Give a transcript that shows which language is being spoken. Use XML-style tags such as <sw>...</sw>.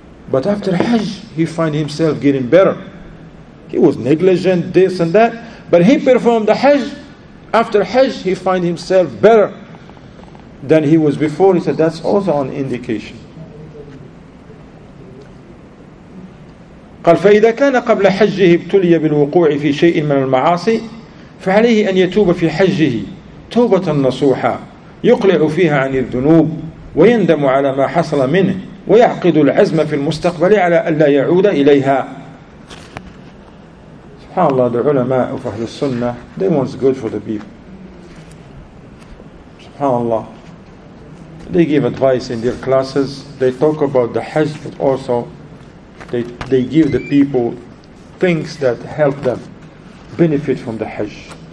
<en>But after Hajj, he find himself getting better. He was negligent, this and that. But he performed the Hajj. After Hajj, he find himself better than he was before. He said, that's also an indication.</en> <ar>قال فإذا كان قبل حجه ابتلي بالوقوع في شيء من المعاصي فعليه أن يتوب في حجه توبة نصوحة يقلع فيها عن الذنوب ويندم على ما حصل منه ويعقد العزم في المستقبل على ألا يعود إليها.</ar> <en>SubhanAllah, the ulama of Ahlul Sunnah, they want good for the people. SubhanAllah. They give advice in their classes. They talk about the Hajj, but also they give the people things that help them benefit from the Hajj.</en>